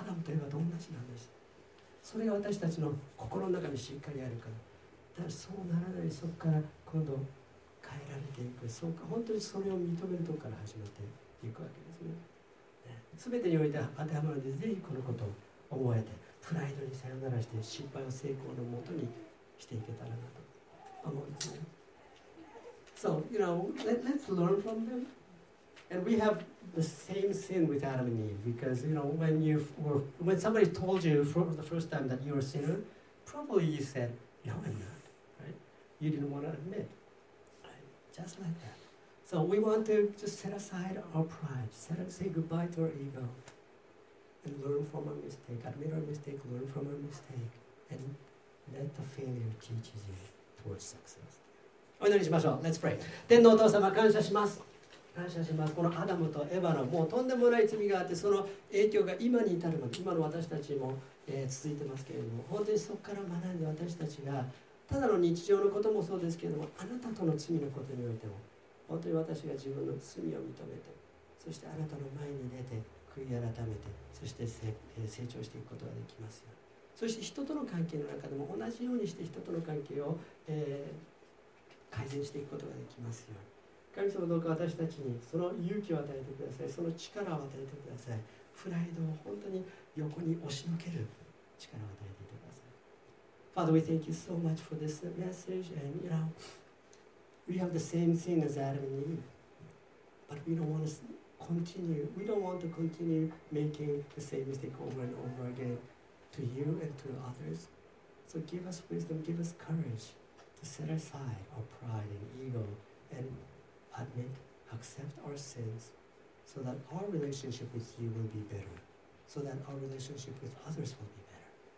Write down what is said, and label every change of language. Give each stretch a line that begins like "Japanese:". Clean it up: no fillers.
Japanese: アダムといえばどんな人なんです。それが私たちの心の中にしっかりあるから、だからそうならない、そこから今度変えられていく、そうか、本当にそれを認めるところから始まっていくわけですね。全てにおいて当てはまるので、ぜひこのことを覚えて、プライドにさよならして、失敗を成功のもとにしていけたらなと思うんですね。
English: So, you know, let's learn from them. And we have the same sin with Adam and Eve, because, you know, when somebody told you for the first time that you're a sinner, probably you said, no, I'm not, right? You didn't want to admit, right? Just like that. So we want to just set aside our pride, say goodbye to our ego. Learn from our mistake, admit our mistake, learn from our mistake, and let the failure teach you towards success.
Japanese: お祈りしましょう。
English: Let's pray.
Japanese: 天のお父様、感謝します。感謝します。このアダムとエヴァのもうとんでもない罪があって、その影響が今に至るまで、今の私たちも、続いてますけれども、本当にそこから学んで私たちが、ただの日常のこともそうですけれども、あなたとの罪のことにおいても、本当に私が自分の罪を認めて、そしてあなたの前に出て、悔い改めて、そして成長していくことができますよ。そして人との関係の中でも同じようにして人との関係を、改善していくことができますよ。神様、どうか私たちにその勇気を与えてください。その力を与えてください。プライドを本当に横に押しのける力を与えてください。
English: Father, we thank you so much for this message, and you know, we have the same thing as Adam and Eve, but we don't want to continue. We don't want to continue making the same mistake over and over again to you and to others. So give us wisdom, give us courage to set aside our pride and ego and admit, accept our sins so that our relationship with you will be better, so that our relationship with others will be better.